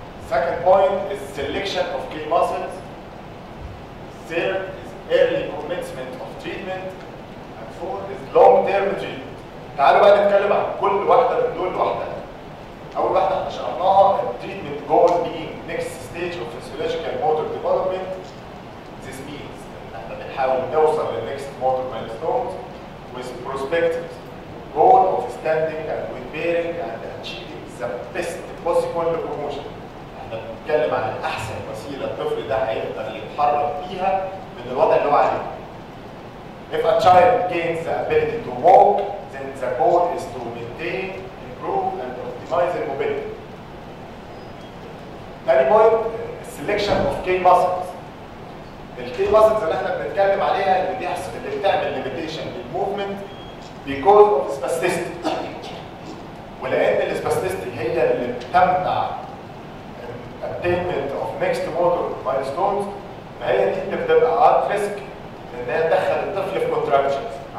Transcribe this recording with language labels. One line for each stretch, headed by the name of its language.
English: Second point is selection of key muscles. Third is early commencement of treatment. And four is long term treatment.
Arabic: تعالوا بقى نتكلم عن كل واحده من دول لوحدها. اول واحده احنا شرحناها
English: التريتمنت جول بين next stage of physiological motor development. This means
Arabic: احنا بنحاول نوصل للنكست موتور مايلستونز
English: with prospective goal of standing and with bearing and achieving the best possible locomotion.
Arabic: احنا بنتكلم عن احسن وسيله الطفل ده هيقدر يتحرك بيها من الوضع اللي هو عليه.
English: If a child gains the ability to walk, then the goal is to maintain, improve, and optimize the mobility.
Arabic: تاني بوينت
English: selection of key muscles.
Arabic: الكي muscles اللي احنا بنتكلم عليها اللي بيحصل اللي بتعمل limitation للموفمنت
English: because of spasticity.
Arabic: ولان الاسباستيستي هي اللي بتمنع
English: attainment of next motor milestones
Arabic: فهي دي اللي بتبقى
English: at risk
Arabic: ان هي تدخل الطفل في contractions.